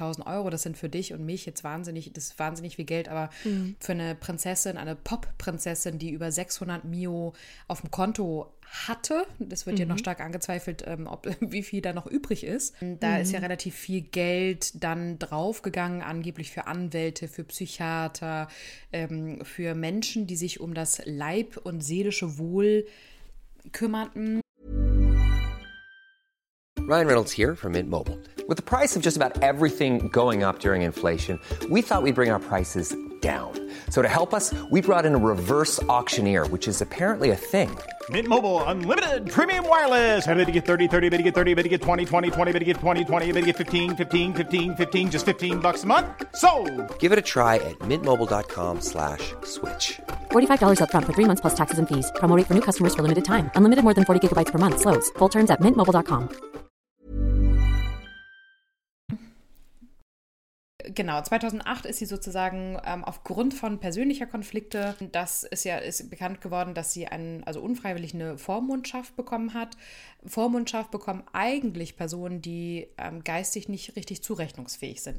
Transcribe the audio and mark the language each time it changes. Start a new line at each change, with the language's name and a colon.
German: 1000 Euro, das sind für dich und mich jetzt wahnsinnig, das ist wahnsinnig viel Geld, aber für eine Prinzessin, eine Pop-Prinzessin, die über 600 Mio auf dem Konto hatte, das wird ja noch stark angezweifelt, wie viel da noch übrig ist, da ist ja relativ viel Geld dann draufgegangen, angeblich für Anwälte, für Psychiater, für Menschen, die sich um das Leib- und seelische Wohl kümmerten.
English: Ryan Reynolds here from Mint Mobile. With the price of just about everything going up during inflation, we thought we'd bring our prices down. So to help us, we brought in a reverse auctioneer, which is apparently a thing. Mint Mobile Unlimited Premium Wireless. I bet you get 30, 30, I bet you get 30, I bet you get 20, 20, 20, I bet you get 20, 20, I bet you get 15, 15, 15, 15, just $15 a month, sold. Give it a try at mintmobile.com/switch. $45 up front for 3 months plus taxes and fees. Promo rate for new customers for limited time. Unlimited more than 40 gigabytes per month. Slows full terms at mintmobile.com.
German: Genau, 2008 ist sie sozusagen aufgrund von persönlicher Konflikte, das ist ja ist bekannt geworden, dass sie also unfreiwillig eine Vormundschaft bekommen hat. Vormundschaft bekommen eigentlich Personen, die geistig nicht richtig zurechnungsfähig sind.